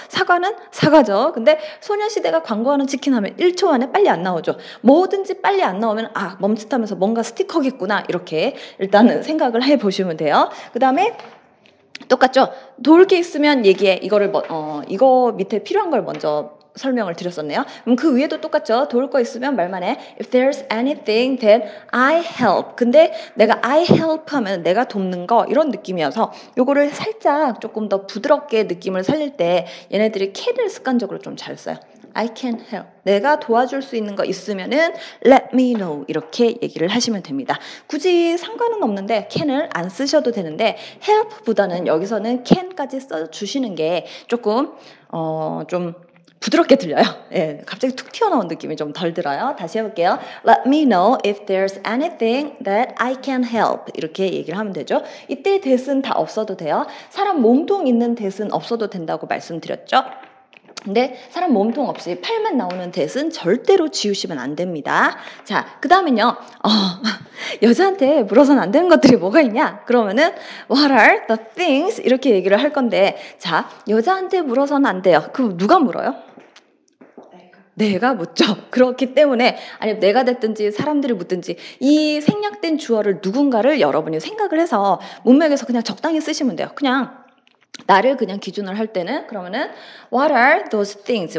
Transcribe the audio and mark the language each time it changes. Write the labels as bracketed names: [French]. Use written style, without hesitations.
[Korean] 사과는 사과죠. 근데 소녀시대가 광고하는 치킨 하면 1초 안에 빨리 안 나오죠. 뭐든지 빨리 안 나오면 아 멈칫하면서 뭔가 스티커겠구나 이렇게 일단은 생각을 해보시면 돼요. 그 다음에 똑같죠. 도울 게 있으면 얘기해. 이거를 이거 밑에 필요한 걸 먼저 설명을 드렸었네요. 그럼 그 위에도 똑같죠. 도울 거 있으면 말만 해. [English] If there's anything that I help. [Korean] 근데 내가 [English] I help [Korean] 하면 내가 돕는 거 이런 느낌이어서 요거를 살짝 조금 더 부드럽게 느낌을 살릴 때 얘네들이 can을 습관적으로 좀 잘 써요. [English] I can help. [Korean] 내가 도와줄 수 있는 거 있으면은 [English] let me know [Korean] 이렇게 얘기를 하시면 됩니다. 굳이 상관은 없는데 can을 안 쓰셔도 되는데 help보다는 여기서는 can까지 써주시는 게 조금 좀 부드럽게 들려요. 예, 갑자기 툭 튀어나온 느낌이 좀 덜 들어요. 다시 해볼게요. [English] Let me know if there's anything that I can help. [Korean] 이렇게 얘기를 하면 되죠. 이때 that은 다 없어도 돼요. 사람 몸통 있는 that은 없어도 된다고 말씀드렸죠. 근데 사람 몸통 없이 팔만 나오는 that은 절대로 지우시면 안 됩니다. 자, 그 다음은요. 여자한테 물어서는 안 되는 것들이 뭐가 있냐? [English] 그러면은 What are the things? [Korean] 이렇게 얘기를 할 건데 자, 여자한테 물어서는 안 돼요. 그럼 누가 물어요? 내가 묻죠. 그렇기 때문에 아니 내가 됐든지 사람들이 묻든지 이 생략된 주어를 누군가를 여러분이 생각을 해서 문맥에서 그냥 적당히 쓰시면 돼요. 그냥 나를 그냥 기준으로 할 때는 그러면은 [English] What are those things?